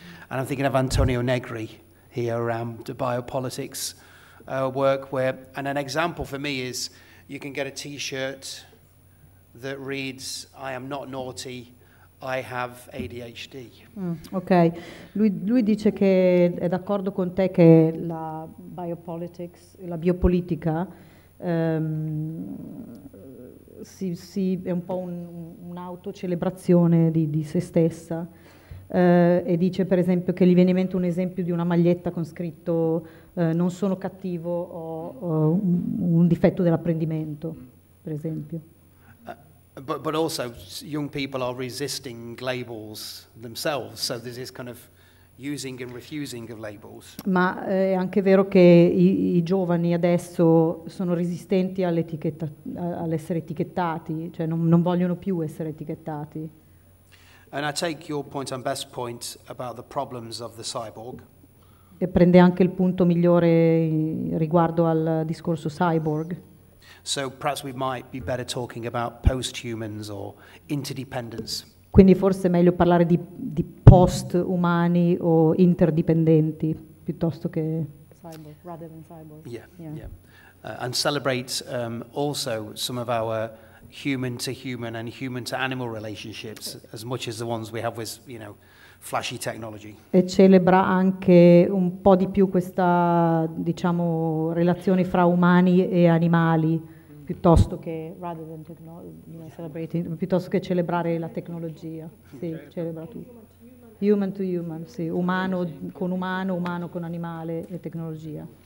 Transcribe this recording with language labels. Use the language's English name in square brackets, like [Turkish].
[English] And I'm thinking of Antonio Negri here around the biopolitics work, where, and an example for me is you can get a T-shirt that reads, I am not naughty, I have ADHD. [Italian] Lui dice che è d'accordo con te che la biopolitics, la biopolitica, sì, è un po' un'autocelebrazione di se stessa. E dice per esempio che gli viene in mente un esempio di una maglietta con scritto non sono cattivo, o un difetto dell'apprendimento, per esempio. [English] But also young people are resisting labels themselves, so there's this kind of using and refusing of labels. [Italian] Ma è anche vero che i giovani adesso sono resistenti all'essere etichettati, cioè non vogliono più essere etichettati. [English] And I take your point on best point about the problems of the cyborg. [Italian] E prende anche il punto migliore riguardo al discorso cyborg. [English] So perhaps we might be better talking about post-humans or interdependence. [Italian] Quindi forse è meglio parlare di post-umani o interdipendenti piuttosto che [English] cyborg, rather than cyborg. And celebrate also some of our human to human and human to animal relationships as much as the ones we have with, you know, flashy technology. [Italian] E celebra anche un po' di più questa, diciamo, relazione fra umani e animali, piuttosto che [English] rather than celebrating, [Italian] piuttosto che celebrare la tecnologia. Sì, certo. Celebra tutto. [English] Human to human, [Italian] sì, umano con umano, umano con animale e tecnologia.